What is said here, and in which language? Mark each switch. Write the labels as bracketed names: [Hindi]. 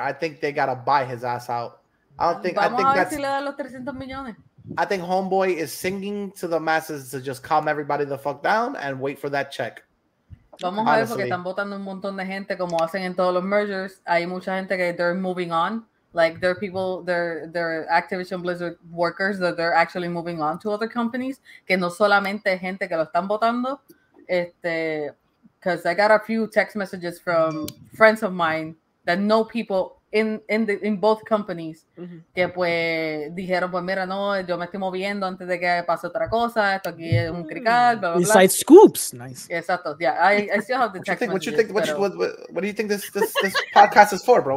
[English] I think they gotta buy his ass out. I think homeboy is singing to the masses to just calm everybody the fuck down and wait for that check. [Spanish] Vamos a ver, porque están votando un montón de gente como hacen en todos los mergers. Hay mucha gente que [English] they're moving on. Like there are people, there are Activision Blizzard workers that they're actually moving on to other companies. [Spanish] Que no solamente gente que lo están votando, [English] because I got a few text messages from friends of mine that know people in both companies. Mm-hmm. [Spanish] Que pues dijeron, pues mira, no, yo me estoy moviendo antes de que pase otra cosa. Esto aquí es un crical. [English] Inside scoops, nice. [Spanish] Exacto. [English] Yeah, I still have the text messages. What do you think this podcast is for, bro?